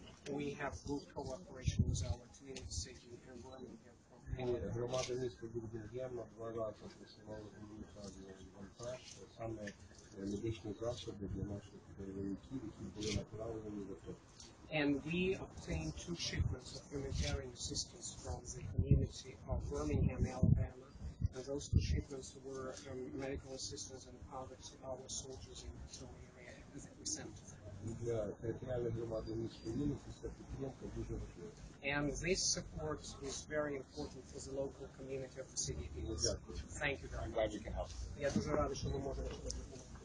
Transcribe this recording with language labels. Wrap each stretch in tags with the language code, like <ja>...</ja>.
<en>We have good cooperation with our community city in Birmingham.</en> <uk>Громада міста Бірмінгема два рази присилала гуманітарні вантажі, саме медичні засоби для наших бойовиків, які були направлені в АТО.</uk> <en>And we obtained two shipments of humanitarian assistance from the community of Birmingham, Alabama. And those two shipments were medical assistance and others to our soldiers in the area that we sent to them.</en> <uk>І для територіальної громади міста Бірмінгема ця підтримка дуже важлива.</uk> <en>And this support is very important for the local community of the city. Thank you very much. I'm glad you can help.</en> <uk>Я дуже радий, що ви можете допомогти.</uk>